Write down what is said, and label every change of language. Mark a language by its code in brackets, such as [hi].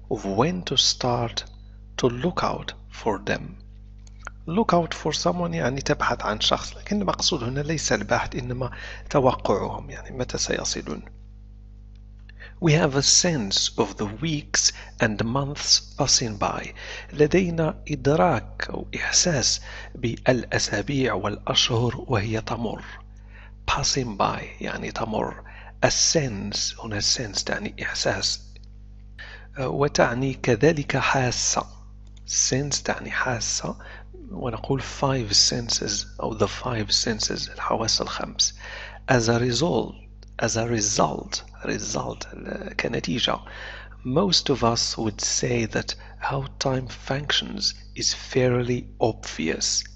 [en] Of when to start to look out for them. Look out for someone [ar] يعني تبحث عن شخص. لكن المقصود هنا ليس البحث, إنما توقعهم, يعني متى سيصلون. [en] We have a sense of the weeks and months passing by. [ar] لدينا إدراك أو إحساس بالأسابيع والأشهر وهي تمر. [en] Passing by [ar] يعني تمر. A sense هنا sense تعني إحساس, وتعني كذلك حاسة. Sense تعني حاسة, ونقول five senses أو [en] the five senses, [ar] الحواس الخمس. [en] As a result, [ar] كنتيجة. [en] Most of us would say that how time functions is fairly obvious.